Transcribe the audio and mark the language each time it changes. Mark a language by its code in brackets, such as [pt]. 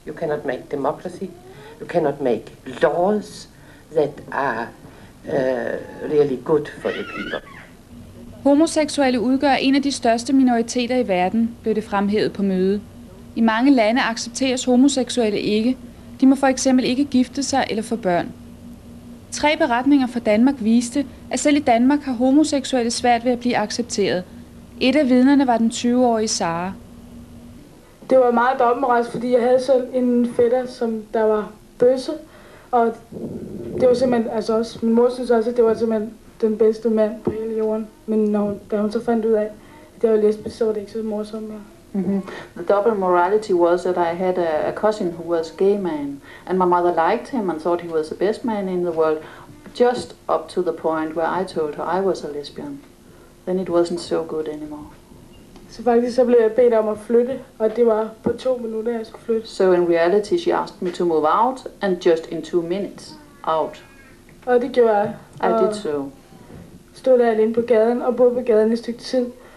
[en] You cannot make democracy. You cannot make laws that are really good for the people. [da] Homoseksuelle udgør en af de største minoriteter i verden, blev det fremhævet på mødet. I mange lande accepteres homoseksuelle ikke. De må for eksempel ikke gifte sig eller få børn. Tre beretninger fra Danmark viste, at selv i Danmark har homoseksuelle svært ved at blive accepteret. Et af vidnerne var den 20-årige Sara. Det var meget dobbeltmoralsk, fordi jeg havde selv en fætter, som der var bøsse. Og det var simpelthen, altså også, min mor synes også, at det var simpelthen den bedste mand på hele jorden. Men når hun, da hun så fandt ud af, at jeg var lesbisk, så var det ikke så morsomt mere. Mm-hmm. [en] The double morality was that I had a cousin who was gay man, and my mother liked him and thought he was the best man in the world, just up to the point where I told her I was a lesbian. Then it wasn't so good anymore. [da] Så faktisk så blev jeg bedt om at flytte, og det var på 2 minutter, jeg skulle flytte. [en] So in reality, she asked me to move out, and just in 2 minutes, out. [da] Og det gjorde jeg. [en] I did so. [da] Stod der alene på gaden og boede på gaden et stykke tid.